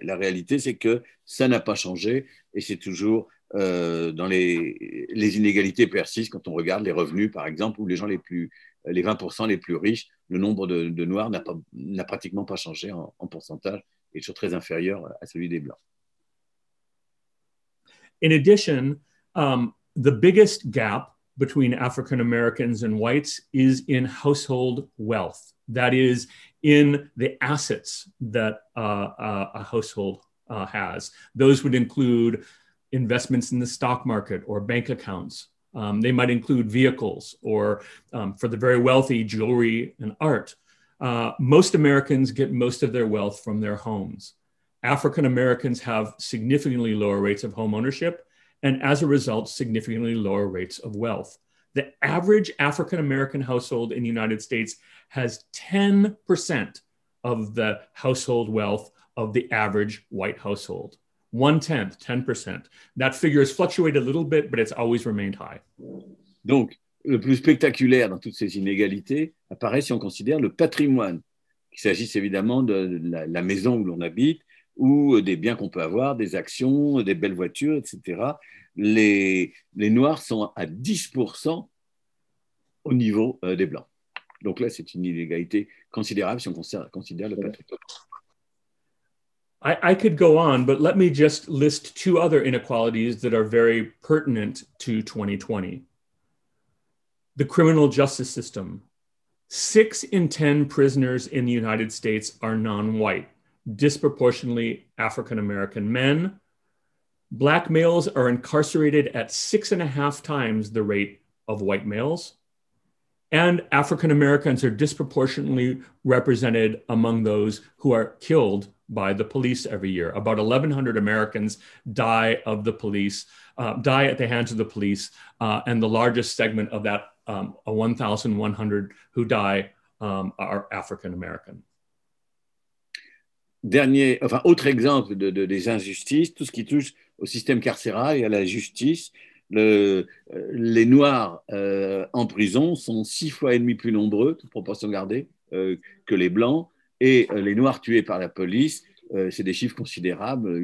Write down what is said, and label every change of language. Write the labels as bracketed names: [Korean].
[French] La réalité, c'est que ça n'a pas changé et c'est toujours... dans les inégalités persistent quand on regarde les revenus, par exemple, où les gens les 20% les plus riches, le nombre de Noirs n'a pratiquement pas changé en pourcentage, et toujours très inférieur à celui des Blancs. [English] In addition, the biggest gap between African Americans and whites is in household wealth. That is, in the assets that a household has. Those would include investments in the stock market or bank accounts. They might include vehicles or, for the very wealthy, jewelry and art. Most Americans get most of their wealth from their homes. African Americans have significantly lower rates of home ownership, and as a result, significantly lower rates of wealth. The average African American household in the United States has 10% of the household wealth of the average white household. One-tenth, 10%. That figure has fluctuated a little bit, but it's always remained high. [French] Donc, le plus spectaculaire dans toutes ces inégalités apparaît si on considère le patrimoine, qu'il s'agisse évidemment de la maison où l'on habite, ou des biens qu'on peut avoir, des actions, des belles voitures, etc. Les Noirs sont à 10% au niveau des Blancs. Donc là, c'est une inégalité considérable si on considère le patrimoine. [English] I could go on, but let me just list two other inequalities that are very pertinent to 2020. The criminal justice system. 6 in 10 prisoners in the United States are non-white, disproportionately African-American men. Black males are incarcerated at 6.5 times the rate of white males. And African-Americans are disproportionately represented among those who are killed by the police every year. About 1,100 Americans die of the police, die at the hands of the police, and the largest segment of that 1,100 who die are African American. [French] Dernier, enfin, autre exemple des injustices, tout ce qui touche au système carcéral et à la justice, les Noirs en prison sont 6.5 fois plus nombreux, toute proportion gardée, que les Blancs. Et les Noirs tués par la police, c'est des chiffres considérables.